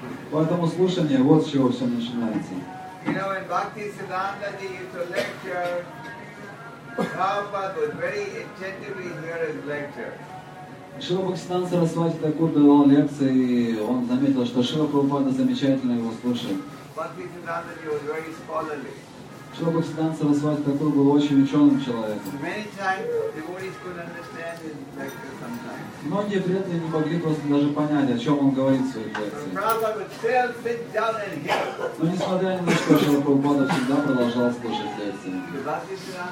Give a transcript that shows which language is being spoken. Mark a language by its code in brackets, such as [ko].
[ru] Поэтому слушание, вот с чего все начинается. [en] You know, when Bhakti Siddhanta Ji used to lecture, Prabhupada would very attentively hear his lecture. [ru] Шрила Бхактисиддханта Сарасвати Такур давал лекции, и он заметил, что Шрила Прабхупада замечательно его слушает. [en] Bhakti Siddhanta Ji was very scholarly. [ru] Шрила Бхактисиддханта Сарасвати Такур был очень ученым человеком. [en] Many times devotees could understand his lecture sometimes. [ru] Многие преданные не могли просто даже понять, о чем он говорит в своих лекциях. Но несмотря ни на что, Шрила Прабхупада всегда продолжал слушать